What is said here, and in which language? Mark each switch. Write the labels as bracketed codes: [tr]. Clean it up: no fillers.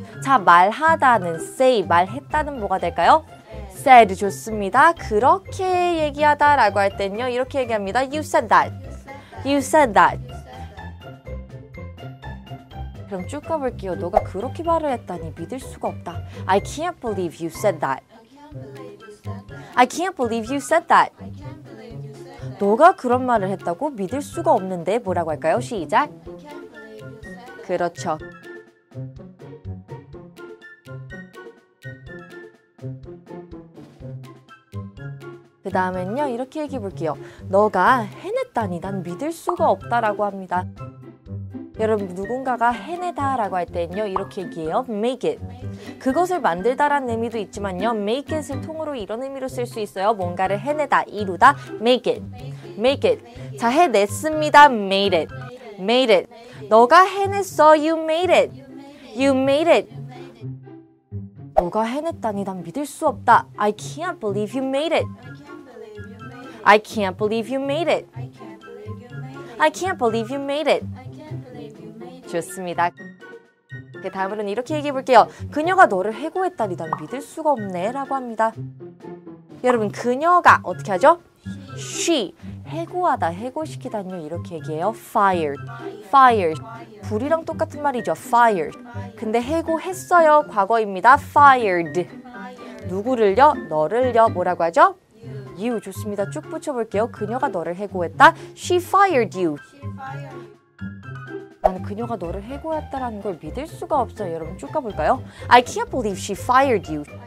[ko] 자, 말하다는 say, 말했다는 뭐가 될까요? Said 좋습니다. 그렇게 얘기하다 라고 할 땐요 이렇게 얘기합니다. [en] You said that. You said that. [ko] 그럼 쭉 가볼게요. 너가 그렇게 말을 했다니 믿을 수가 없다. [en] I can't believe you said that. I can't believe you said that. [ko] 너가 그런 말을 했다고 믿을 수가 없는데 뭐라고 할까요? 시작. 그렇죠. 그 다음엔요 이렇게 얘기해 볼게요. 너가 해냈다니 난 믿을 수가 없다라고 합니다. 여러분 누군가가 해내다 라고 할 때는요 이렇게 얘기해요. [en] Make it. [ko] 그것을 만들다 라는 의미도 있지만요 Make it을 통으로 이런 의미로 쓸 수 있어요. 뭔가를 해내다, 이루다. [en] Make it. Make it. [ko] 자, 해냈습니다. [en] Made it. Made it. [ko] 너가 해냈어. [en] You made it. You made it. [ko] 너가 해냈다니 난 믿을 수 없다. [en] I can't believe you made it. I can't believe you made it. I can't believe you made it. [ko] 좋습니다. 그 다음으로는 이렇게 얘기해 볼게요. 그녀가 너를 해고했다니 난 믿을 수가 없네 라고 합니다. 여러분 그녀가 어떻게 하죠? [en] She. [ko] 해고하다, 해고시키다니요 이렇게 얘기해요. [en] Fire. Fire. [ko] 불이랑 똑같은 말이죠. [en] Fire. [ko] 근데 해고했어요 과거입니다. Fired. 누구를요? 너를요 뭐라고 하죠? You. 좋습니다. 쭉 붙여볼게요. 그녀가 너를 해고했다. [en] She fired you. [ko] 나는 그녀가 너를 해고했다라는 걸 믿을 수가 없어요. 여러분 쭉 가볼까요? [en] I can't believe she fired you.